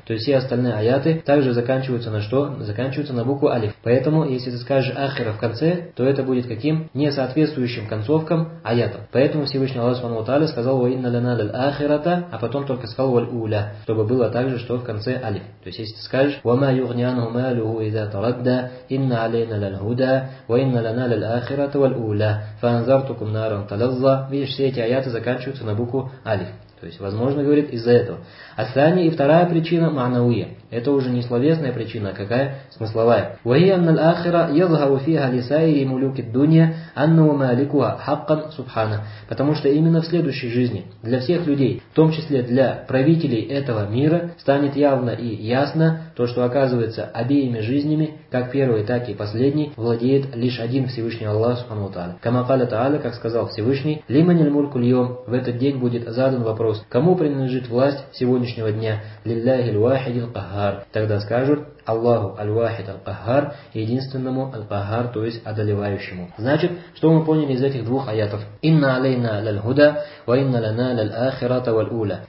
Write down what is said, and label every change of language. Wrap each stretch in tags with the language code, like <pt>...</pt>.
<ru>То есть все остальные аяты также заканчиваются на что? Заканчиваются на букву алиф. Поэтому, если ты скажешь ахира в конце, то это будет каким? Не соответствующим концовкам аятов. Поэтому Всевышний Аллах субхану ва тааля сказал:</ru> <ar>«Ва инна лана ляль-ахирата»,</ar> <ru>а потом только сказал</ru> <ar>валь-уля,</ar> <ru>чтобы было также, что в конце алиф. То есть скажешь:</ru> <ar>وما يغني عنه ماله إذا تردى إن علينا للهدى وإن لنا للآخرة والأولى فأنذرتكم نارا تلظى.</ar> <ru>Видишь, все эти аяты заканчиваются на букву алиф. То есть, возможно, говорит, из-за этого. А</ru> <ar>ثانيه</ar> <ru>и вторая причина</ru> <ar>معنويه.</ar> <ru>Это уже не словесная причина, а какая? Смысловая.</ru> <ar>وهي أن الآخرة يظهر فيها لسائر ملوك الدنيا أنه مالكها حقا سبحانه.</ar> <ru>Потому что именно в следующей жизни для всех людей, в том числе для правителей этого мира, станет явно и ясно то, что оказывается обеими жизнями, как первой, так и последней, владеет лишь один Всевышний Аллах субхану ва тааля.</ru> <ar>كما قال تعالى,</ar> <ru>как сказал Всевышний:</ru> <ar>لمن الملك اليوم.</ar> <ru>В этот день будет задан вопрос: кому принадлежит власть сегодняшнего дня?</ru> <ar>لله الواحد القهار.</ar> <ru>Тогда скажут:</ru> <ar>Аллаху аль-вахид аль-кахар,</ar> <ru>единственному аль-кахар, то есть одолевающему. Значит, что мы поняли из этих двух аятов?</ru> <ar>Инна алейна ляль-худа, ва инна лана ляль-ахирата валь-уля.</ar>